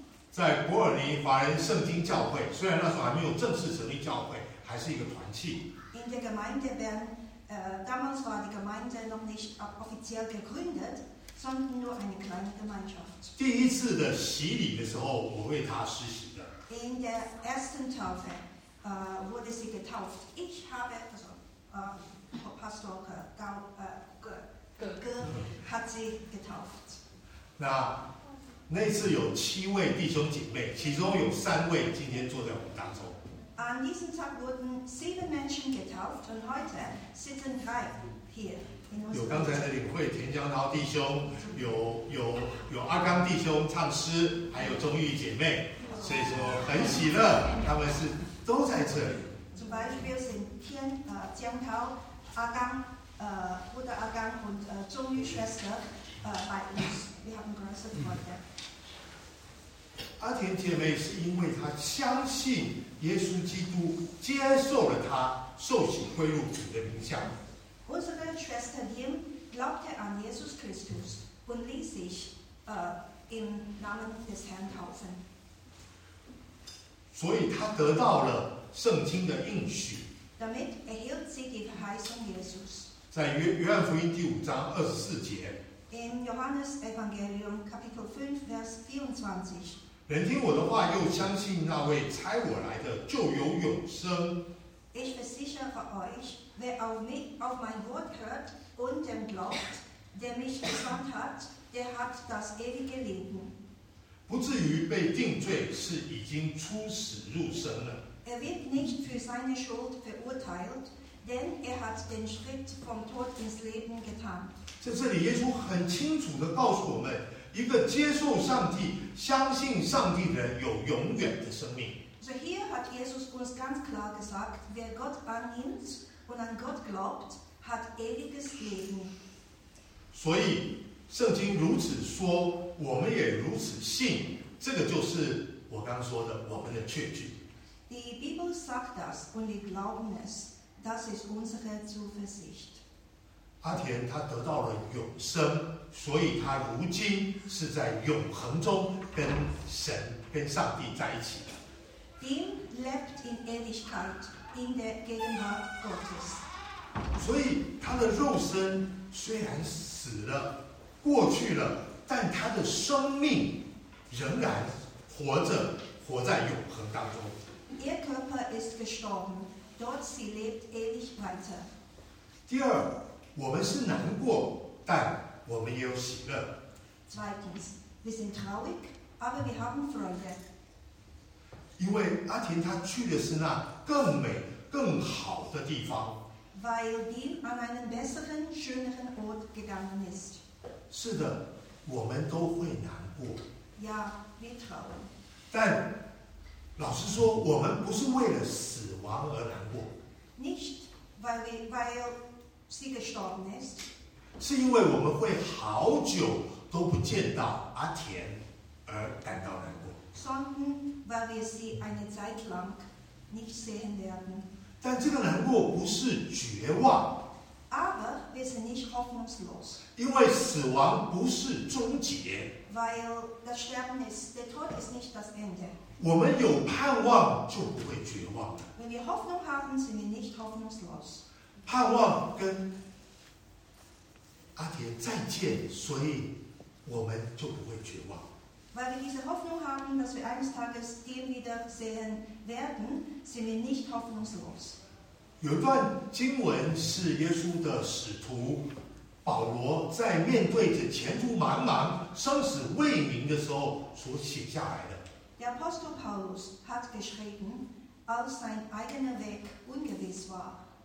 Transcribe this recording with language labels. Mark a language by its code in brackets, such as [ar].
[zh] 在伯尔尼华人圣经教会，虽然那时候还没有正式成立教会，还是一个团契。 [de] In der Gemeinde Bern, damals war die Gemeinde noch nicht offiziell gegründet, sondern nur eine kleine Gemeinschaft. [zh] 第一次的洗礼的时候，我为他施洗的。 [de] In der ersten Taufe, wurde sie getauft. Ich habe also, Pastor Ge hat sie getauft. [zh] 那次有七位弟兄姐妹，其中有三位今天坐在我们当中。 [de] An diesem Tag wurden sieben Menschen getauft und heute sitzen drei hier. [zh] 有刚才的领会田江涛弟兄，有阿刚弟兄唱诗，还有钟玉姐妹，所以说很喜乐，他们是都在这里。 [de] Zum Beispiel sind 田江涛、阿刚、胡德阿刚和钟玉 Schwester bei uns. Wir haben große Freude. [zh] 阿田姐妹是因为她相信耶稣基督，接受了她受洗归入主的名下。 [de] Unsere Schwester Diem glaubte an Jesus Christus und ließ sich im Namen des Herrn taufen. [zh] 所以她得到了圣经的应许。 [de] Damit erhielt sie die Verheißung Jesus. [zh] 在约翰福音第5章24节。 [de] In Johannes Evangelium Kapitel 5 Vers 24. [zh] 人听我的话，又相信那位差我来的，就有永生。 [de] Ich versichere euch, wer auf mein Wort hört und dem glaubt, der mich gesandt hat, der hat das ewige Leben. [zh] 不至于被定罪，是已经出死入生了。 [de] Er wird nicht für seine Schuld verurteilt, denn er hat den Schritt vom Tod ins Leben getan. [zh] 在这里，耶稣很清楚地告诉我们。一个接受上帝、相信上帝的人，有永远的生命。 [en] So here [de] hat Jesus uns ganz klar gesagt, wer Gott annimmt und an Gott glaubt, hat ewiges Leben. [zh] 所以圣经如此说，我们也如此信，这个就是我刚说的我们的确据。 [de] Die Bibel sagt das und wir glauben es. Das ist unsere Zuversicht. [zh] 阿田他得到了永生，所以他如今是在永恒中跟神、跟上帝在一起的。 [de] Dem lebt in Ewigkeit in der Gegenwart Gottes。 [zh] 所以他的肉身虽然死了、过去了，但他的生命仍然活着，活在永恒当中。 [de] Ihr Körper ist gestorben, dort sie lebt ewig weiter。 [zh] 第二。我们是难过，但我们也有喜乐。 [de] Zweitens, wir sind traurig, aber wir haben Freude. [zh] 因为阿田他去的是那更美、更好的地方。 [de] Weil Dean an einen besseren, schöneren Ort gegangen ist. [zh] 是的，我们都会难过。 [de] Ja, wir trauern. [zh] 但老实说，我们不是为了死亡而难过。 [de] Nicht, weil Sie gestorben ist. [zh] 是因为我们会好久都不见到阿田而感到难过。 [de] Sondern weil wir sie eine Zeit lang nicht sehen werden. [zh] 但这个难过不是绝望。 [de] Aber wir sind nicht hoffnungslos. [zh] 因为死亡不是终结。 [de] Weil das Sterben ist, der Tod ist nicht das Ende. [zh] 我们有盼望就不会绝望。 [de] Wenn wir Hoffnung haben, sind wir nicht hoffnungslos. [zh] 盼望跟阿田再见，所以我们就不会绝望。 [de] Weil wir diese Hoffnung haben, dass wir eines Tages ihn wiedersehen werden, sind wir nicht hoffnungslos. [zh] 有一段经文是耶稣的使徒保罗在面对着前途茫茫、生死未明的时候所写下来的。 [de] Der Apostel Paulus hat geschrieben, als sein eigener Weg ungewiss war.